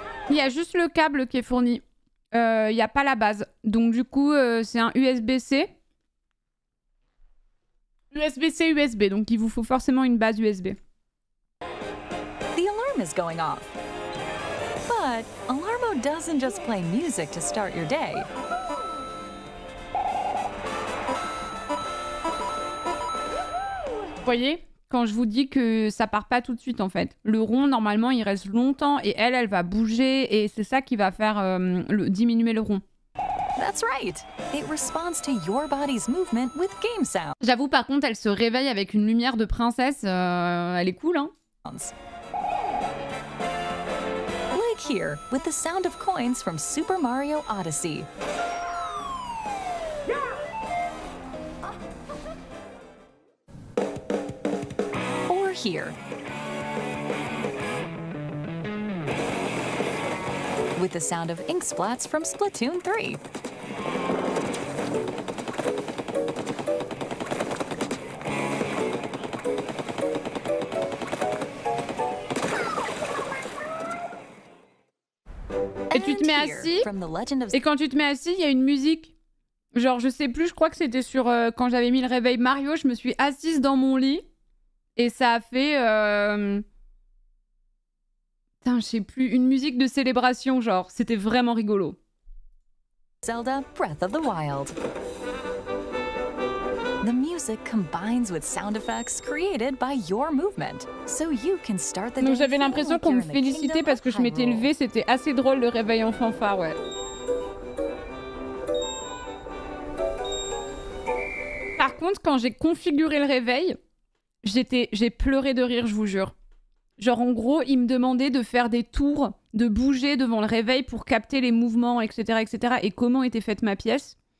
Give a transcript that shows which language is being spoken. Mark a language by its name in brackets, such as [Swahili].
[French] Il y a juste le câble qui est fourni. Il y a pas la base. Donc du coup, c'est un USB-C. USB-C, USB. Donc il vous faut forcément une base USB. [English] The alarm is going off. But Alarmo doesn't just play music to start your day. [French] Vous voyez, quand je vous dis que ça part pas tout de suite en fait. Le rond, normalement, il reste longtemps et elle, elle va bouger et c'est ça qui va faire diminuer le rond. [English] That's right. It responds to your body's movement with game sound. [French] J'avoue, par contre, elle se réveille avec une lumière de princesse. Elle est cool, hein. [English] Like here, with the sound of coins from Super Mario Odyssey. Here. With the sound of ink splats from Splatoon 3. [French] Et tu te mets assis, et quand tu te mets assis, il y a une musique. Genre, je sais plus, je crois que c'était sur quand j'avais mis le réveil Mario, je me suis assise dans mon lit. Et ça a fait, putain, je sais plus, une musique de célébration, genre, c'était vraiment rigolo. [English] Zelda Breath of the Wild. The music combines with sound effects created by your movement, so you can start the. [French] Donc j'avais l'impression qu'on me félicitait parce que je m'étais levée, c'était assez drôle le réveil en fanfare, ouais. Par contre, quand j'ai configuré le réveil. J'ai pleuré de rire, je vous jure. Genre, en gros, il me demandait de faire des tours, de bouger devant le réveil pour capter les mouvements, etc., etc., et comment était faite ma pièce.